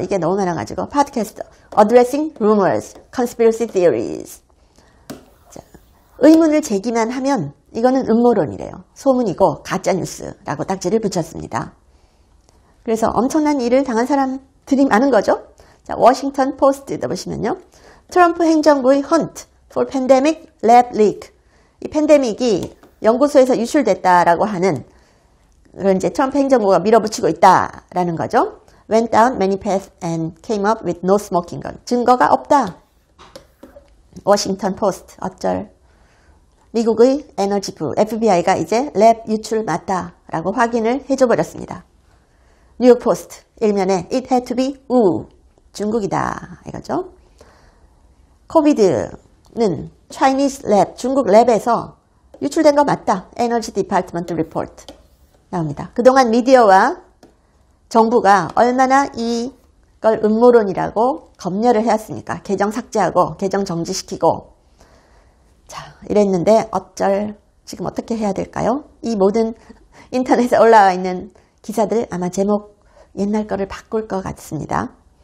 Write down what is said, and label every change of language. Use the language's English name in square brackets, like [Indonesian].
[Korean] 이게 너무 많아가지고 팟캐스트 Addressing Rumors, Conspiracy Theories. 자, 의문을 제기만 하면 이거는 음모론이래요. 소문이고 가짜뉴스라고 딱지를 붙였습니다. 그래서 엄청난 일을 당한 사람들이 많은 거죠. 자, 워싱턴 포스트도 보시면요. 트럼프 행정부의 Hunt for Pandemic Lab Leak. 이 팬데믹이 연구소에서 유출됐다라고 하는 그런 이제 트럼프 행정부가 밀어붙이고 있다라는 거죠. [English] went down many paths and came up with no smoking gun. [Korean] 증거가 없다. 워싱턴 포스트 어쩔. 미국의 에너지부 FBI가 이제 랩 유출 맞다라고 확인을 해줘버렸습니다. 뉴욕 포스트 일면에 [English] it had to be [Korean] 우 중국이다 이거죠. COVID는 Chinese lab, 중국 랩에서 유출된 거 맞다. Energy Department Report 나옵니다. 그동안 미디어와 정부가 얼마나 이걸 음모론이라고 검열을 해왔습니까? 계정 삭제하고 계정 정지시키고 자, 이랬는데 지금 어떻게 해야 될까요? 이 모든 인터넷에 올라와 있는 기사들 아마 제목 옛날 거를 바꿀 것 같습니다.